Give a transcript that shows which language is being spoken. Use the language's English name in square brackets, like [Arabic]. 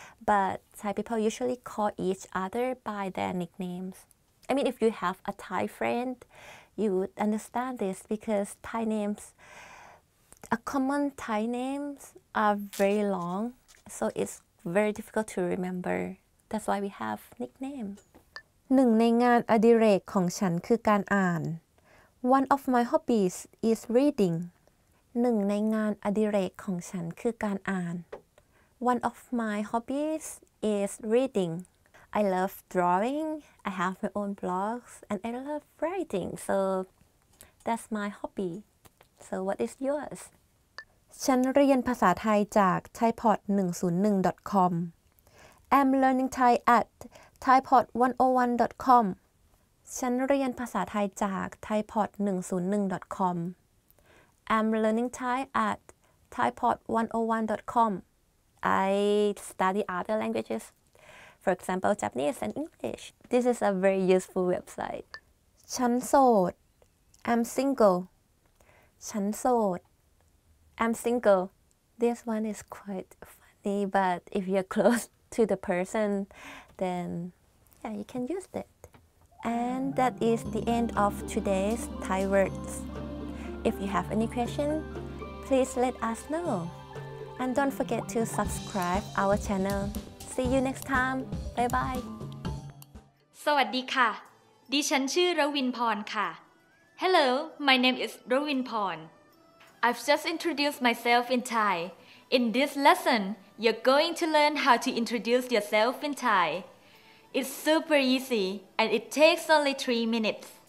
[English] But Thai people usually call each other by their nicknames. I mean, if you have a Thai friend, you would understand this because Thai names, common Thai names are very long, so it's very difficult to remember. That's why we have nickname. [Thai] หนึ่งในงานอดิเรกของฉันคือการอ่าน [English] One of my hobbies is reading. [Thai] หนึ่งในงานอดิเรกของฉันคือการอ่าน [English] One of my hobbies is reading. I love drawing. I have my own blogs and I love writing. So that's my hobby. So what is yours? [Thai] ฉันเรียนภาษาไทยจาก thaipod101.com. [English] I'm learning Thai at thaipod101.com. [Thai] ฉันเรียนภาษาไทยจาก [English] thaipod101.comI'm learning Thai at thaipod101.com. I study other languages, for example, Japanese and English. This is a very useful website. [Thai] ฉันโสด [English] I'm single. [Thai] ฉันโสด [English] I'm single. This one is quite funny, but if you're close to the person, then yeah, you can use it. And that is the end of today's Thai words. If you have any question, please let us know. And don't forget to subscribe our channel. See you next time. Bye bye. [Thai] สวัสดีค่ะ ดิฉันชื่อรวินพรค่ะ [English] Hello, my name is Rawin Porn. I've just introduced myself in Thai. In this lesson, you're going to learn how to introduce yourself in Thai. It's super easy and it takes only 3 minutes.